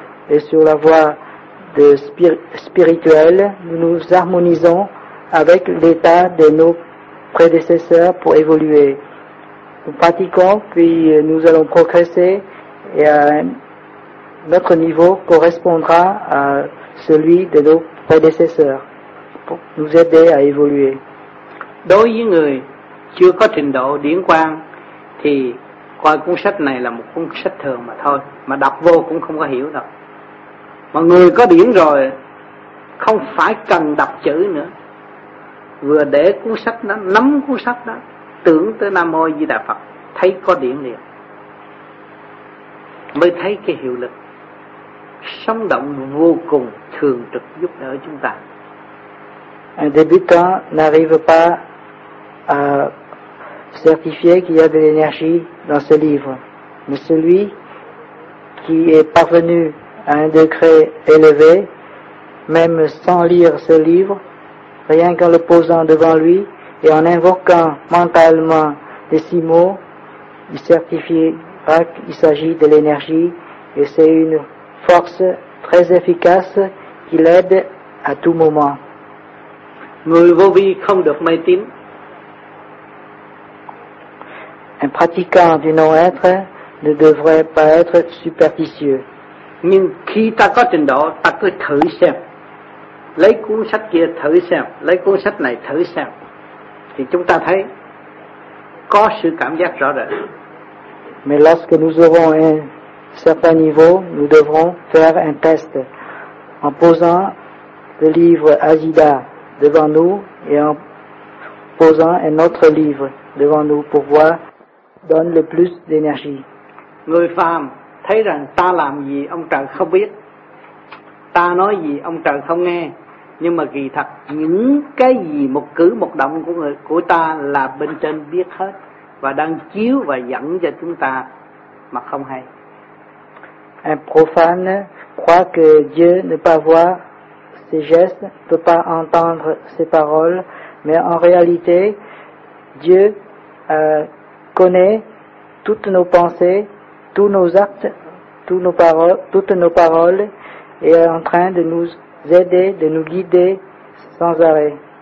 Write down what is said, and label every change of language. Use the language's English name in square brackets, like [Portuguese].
[French] Et sur la voie spirituelle, nous nous harmonisons avec l'état de nos prédécesseurs pour évoluer. Nous pratiquons, puis nous allons progresser, et notre niveau correspondra à celui de nos prédécesseurs pour nous aider à évoluer. [Vietnamese] Đối với người chưa có trình độ điển quang thì coi cuốn sách này là một cuốn sách thường mà thôi, mà đọc vô cũng không có hiểu đâu. Mà người có điển rồi không phải cần đọc chữ nữa, vừa để cuốn sách đó, nắm cuốn sách đó, tưởng tới Nam Mô A Di Đà Phật, thấy có điển liền, mới thấy cái hiệu lực sống động vô cùng thường trực giúp đỡ chúng ta. [French] Un débutant n'arrive pas à certifier qu'il y a de l'énergie dans ce livre, mais celui qui est parvenu à un degré élevé, même sans lire ce livre, rien qu'en le posant devant lui et en invoquant mentalement les six mots, il certifiera qu'il s'agit de l'énergie, et c'est une force très efficace qui l'aide à tout moment. [Vietnamese] Người vô vi không được mê tín. [French] Un pratiquant du non-être ne devrait pas être superficieux. [Vietnamese] Nhưng khi ta có trình độ, ta cứ thử xem. Lấy cuốn sách kia thử xem, lấy cuốn sách này thử xem. Thì chúng ta thấy có sự cảm giác rõ rệt. [French] Mais lorsque nous aurons un certain niveau, nous devrons faire un test. En posant le livre Ajida devant nous et en posant un autre livre devant nous pour voir donne le plus d'énergie. [Vietnamese] Người phàm thấy rằng ta làm gì ông trời không biết, ta nói gì ông trời không nghe, nhưng mà kỳ thật những cái gì một cử một động của người của ta là bên trên biết hết và đang chiếu và dẫn cho chúng ta mà không hay. [French] Un profane croit que Dieu ne peut voir ses gestes, ne peut pas entendre ses paroles, mais en réalité, Dieu connaît toutes nos pensées, tous nos actes, toutes nos paroles, et est en train de nous aider, de nous guider sans arrêt.